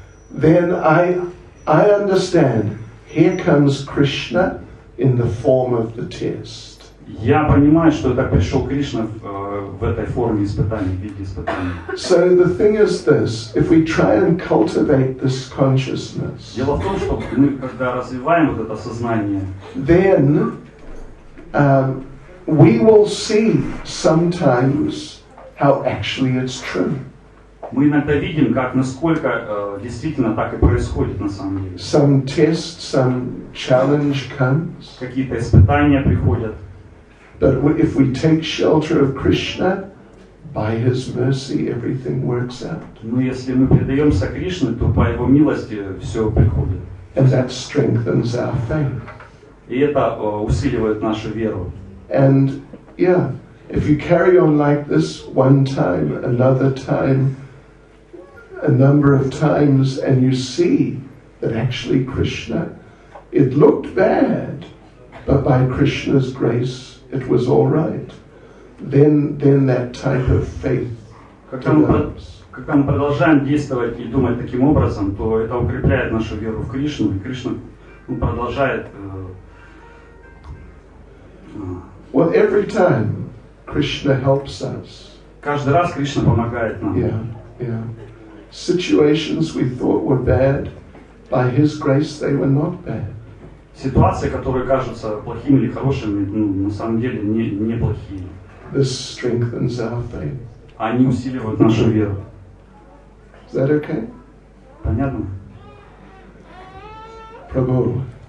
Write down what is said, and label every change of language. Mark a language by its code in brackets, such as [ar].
[en] Then I understand, here comes Krishna in the form of the test. [ru] Я понимаю, что так пришел Кришна в этой форме испытания, в виде испытания. [en] So the thing is this, if we try and cultivate this consciousness, [ru] дело в том, что мы когда развиваем вот это сознание, [en] then we will see sometimes how actually it's true. [ru] Мы иногда видим, как насколько действительно так и происходит на самом деле. [en] Some test, some challenge comes. [ru] Какие-то испытания приходят. [en] But if we take shelter of Krishna, by His mercy, everything works out. [ru] Но если мы предаемся Кришне, то по Его милости все приходит. [en] And that strengthens our faith. [ru] И это усиливает нашу веру. [en] And yeah, if you carry on like this one time, another time, a number of times, and you see that actually Krishna, it looked bad, but by Krishna's grace it was all right. Then that type of faith develops. [ru] Когда мы продолжаем действовать и думать таким образом, то это укрепляет нашу веру в Кришну, и Кришна продолжает. [en] Well, every time Krishna helps us. [ru] Каждый раз Кришна помогает нам. [en] Yeah. Situations we thought were bad, by His grace they were not bad. [ru] Ситуации, которые кажутся плохими или хорошими, ну, на самом деле не плохие. [en] This strengthens our faith. [ru] Они усиливают нашу веру. [en] Is that okay? [ru] Понятно. Прабху.